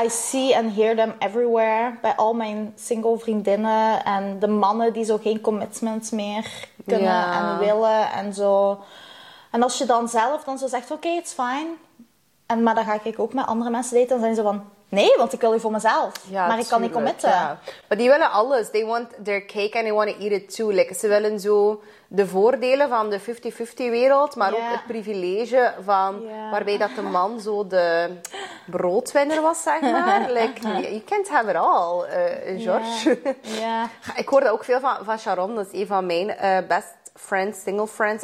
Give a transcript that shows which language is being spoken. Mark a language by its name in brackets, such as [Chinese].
[English] I see and hear them everywhere. [Dutch] Bij al mijn single vriendinnen en de mannen die zo geen commitments meer kunnen en willen en zo. En als je dan zelf dan zo zegt, oké, [English] it's fine. [Dutch] En, maar dan ga ik ook met andere mensen daten. Dan zijn ze van, nee, want ik wil je voor mezelf. Ja, maar tuurlijk, ik kan niet committen. Maar die willen alles. [English] They want their cake and they want to eat it too. [Dutch] Like, ze willen zo de voordelen van de 50-50 wereld, maar ook het privilege van waarbij dat de man zo de broodwinner was, zeg maar. [English] Like, you can't have it all, [Dutch] George. Ik hoor dat ook veel van Sharon, dat is een van mijn best friends, single friends.